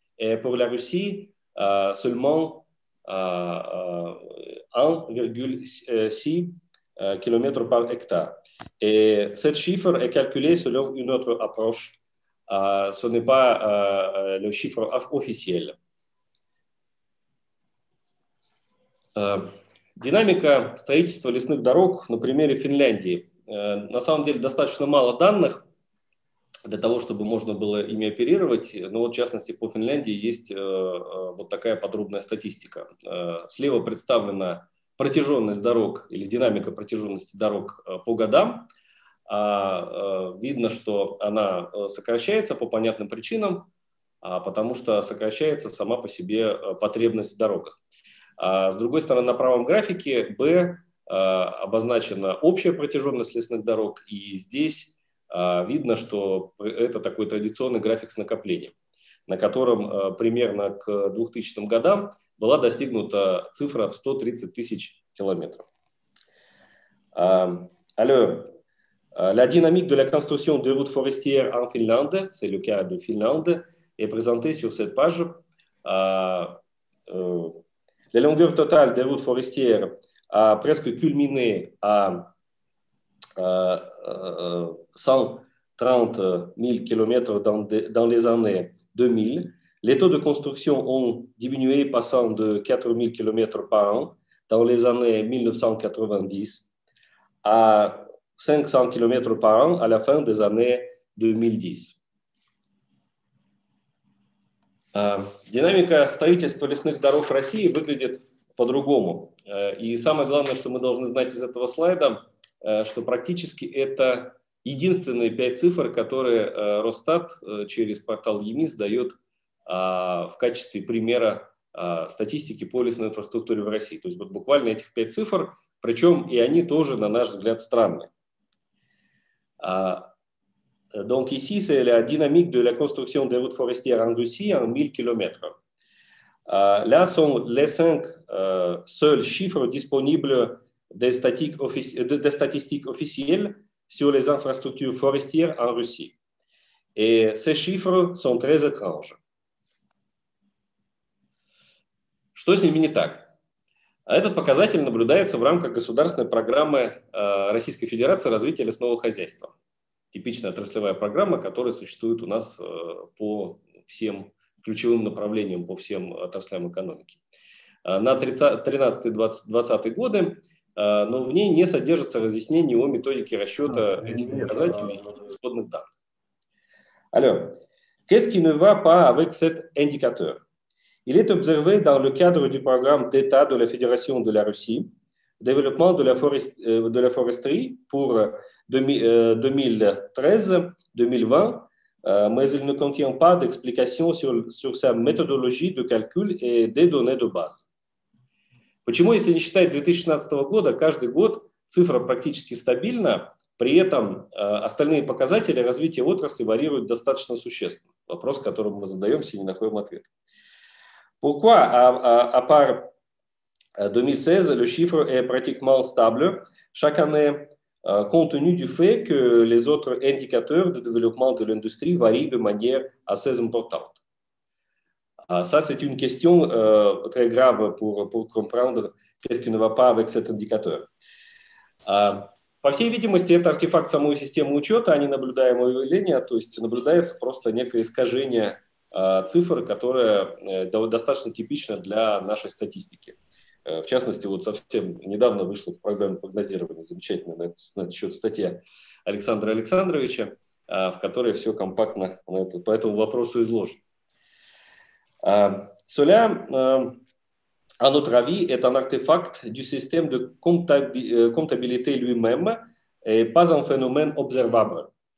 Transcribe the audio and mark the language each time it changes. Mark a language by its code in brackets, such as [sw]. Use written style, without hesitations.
[fr] Et pour la Russie, seulement 1,6 km par hectare. Et cette chiffre est calculée selon une autre approche. Ce n'est pas le chiffre officiel. [ru] Динамика строительства лесных дорог на примере Финляндии. На самом деле достаточно мало данных для того, чтобы можно было ими оперировать. Но вот в частности по Финляндии есть вот такая подробная статистика. Слева представлена протяженность дорог или динамика протяженности дорог по годам. Видно, что она сокращается по понятным причинам, потому что сокращается сама по себе потребность в дорогах. С другой стороны, на правом графике B обозначена общая протяженность лесных дорог, и здесь видно, что это такой традиционный график с накоплением, на котором примерно к 2000 годам была достигнута цифра в 130 тысяч километров. [fr] La dynamique de la construction des routes forestières en Finlande, c'est le cas de Finlande, est présentée sur cette page. La longueur totale des routes forestières a presque culminé à 130 000 km dans les années 2000. Les taux de construction ont diminué, passant de 4 000 km par an dans les années 1990 à 500 km par an à la fin des années 2010. [ru] Динамика строительства лесных дорог в России выглядит по-другому. И самое главное, что мы должны знать из этого слайда, что практически это единственные пять цифр, которые Росстат через портал ЕМИС дает в качестве примера статистики по лесной инфраструктуре в России. То есть вот буквально этих пять цифр, причем и они тоже, на наш взгляд, странны. [fr] Donc ici, c'est la dynamique de la construction des routes forestières en Russie en 1000 km. Là sont les cinq seuls chiffres disponibles des statistiques officielles sur les infrastructures forestières en Russie. Et ces chiffres sont très étranges. [ru] Что с ними не так? Этот показатель наблюдается в рамках государственной программы Российской Федерации развития лесного хозяйства. Типичная отраслевая программа, которая существует у нас по всем ключевым направлениям, по всем отраслям экономики. На 2013-2020 годы но в ней не содержится разъяснений о методике расчета этих нет, показателей и исходных данных. Алло. [fr] Qu'est-ce qui ne va pas avec cet indicateur? Il est observé dans le cadre du programme d'État de la Fédération de la Russie, développement de la foresterie pour 2013-2020, mais il ne contient pas d'explication sur sa méthodologie de calcul et des données de base. [ru] Почему, если не считать 2016 года, каждый год цифра практически стабильна, при этом остальные показатели развития отрасли варьируют достаточно существенно? Вопрос, который мы задаемся и не находим ответ. [fr] Pourquoi, à part 2016, le chiffre est pratiquement stable chaque année, compte tenu du fait que les autres indicateurs de développement de l'industrie varient de manière assez importante? Ça, c'est une question très grave pour comprendre qu'est-ce qui ne va pas avec cet indicateur. [ru] По всей видимости, это артефакт самой системы учета, а не наблюдаемое явление, то есть наблюдается просто некое искажение цифр, которое достаточно типично для нашей статистики. В частности, вот совсем недавно вышла в программе прогнозирования замечательная на этот счет статья Александра Александровича, в которой все компактно по этому вопросу изложено. [fr] Cela à notre avis est un artefact du système de comptabilité lui-même et pas un phénomène observable.